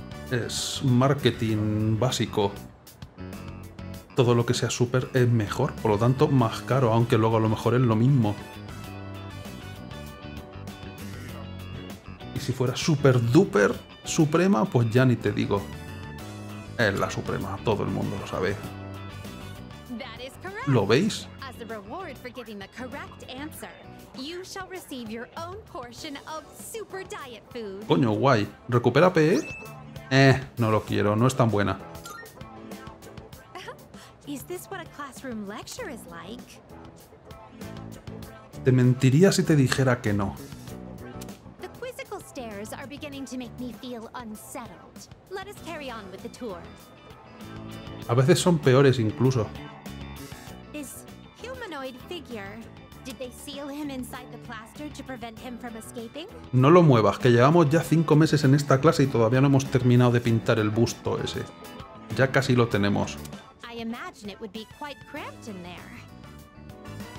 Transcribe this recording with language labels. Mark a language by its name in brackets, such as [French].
[Spanish] Es marketing básico. Todo lo que sea super es mejor, por lo tanto más caro, aunque luego a lo mejor es lo mismo. Y si fuera super duper suprema, pues ya ni te digo. Es la suprema, todo el mundo lo sabe. ¿Lo veis? [English] As a reward for giving the correct answer, you shall receive your own portion of super diet food. [Spanish] Coño, guay. ¿Recupera PE? No lo quiero, no es tan buena. [English] Is this what a classroom lecture is like? [Spanish] Te mentiría si te dijera que no. [English] The quizzical stares are beginning to make me feel unsettled. Let us carry on with the tour. [Spanish] A veces son peores incluso. [English] This humanoid figure, did they seal him inside the plaster to prevent him from escaping? [Spanish] No lo muevas, que llevamos ya 5 meses en esta clase y todavía no hemos terminado de pintar el busto ese. Ya casi lo tenemos. [English] I imagine it would be quite cramped in there.